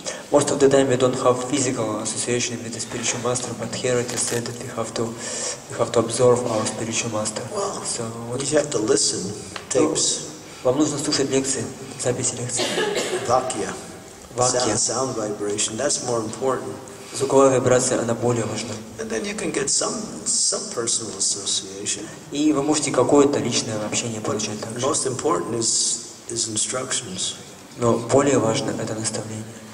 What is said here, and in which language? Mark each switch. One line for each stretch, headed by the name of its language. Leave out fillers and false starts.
English: Most of the time we don't have physical association with the spiritual master, but here it is said that we have to observe our spiritual master. Well, so what you have to listen tapes.
Russian: Вам нужно слушать лекции, записи лекций.
English: Vakya. Vakya. Sound vibration. That's more important.
Russian: Звуковая вибрация, она более важна.
English: And then you can get some personal association.
Russian: И вы можете какое-то личное общение получать также.
English: Most important is instructions.
Russian: Но более важно это наставление.